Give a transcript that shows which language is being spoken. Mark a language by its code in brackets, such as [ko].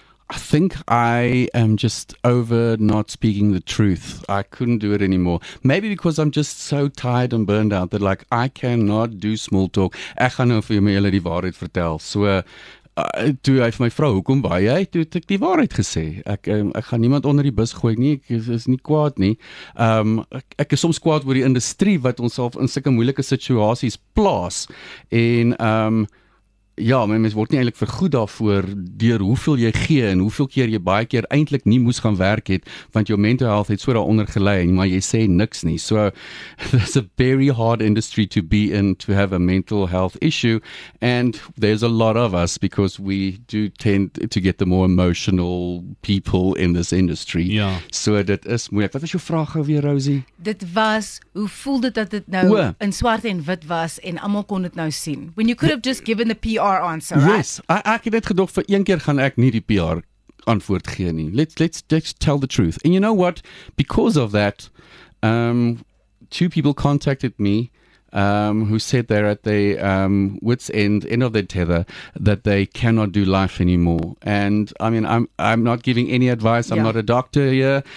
[en] I think I am just over not speaking the truth. I couldn't do it anymore. Maybe because I'm just so tired and burned out that like I cannot do small talk. [af] Ek gaan nou vir julle die waarheid vertel. So toe hy vir my vrou, hoekom waai jy? Toe het ek die waarheid gesê. Ek gaan niemand onder die bus gooi nie, ek is nie kwaad nie. Ek is soms kwaad oor die industrie wat onsself in sulke moeilike situasies plaas. En mens word nie eintlik vergoed daarvoor deur hoeveel jy gee en hoeveel keer jy baie keer eintlik nie moes gaan werk het, want jou mental health het so daaronder gelei, maar jy sê niks nie. [en] So that's a very hard industry to be in, to have a mental health issue, and there's a lot of us because we do tend to get the more emotional people in this industry. [af] Ja. So dit is moeilik. Wat was jou vraag weer, Rosie? Dit was, hoe voel dit dat dit nou in swart en wit was en almal kon dit nou sien? [en] When you could have just given the PR answer, yes, right? [af] Ek het net gedog vir een keer gaan ek nie die PR antwoord gee nie. [en] Let's tell the truth. And you know what? Because of that, two people contacted me who said they're at the wit's end of their tether, that they cannot do life anymore. And I mean, I'm not giving any advice. I'm not a doctor here.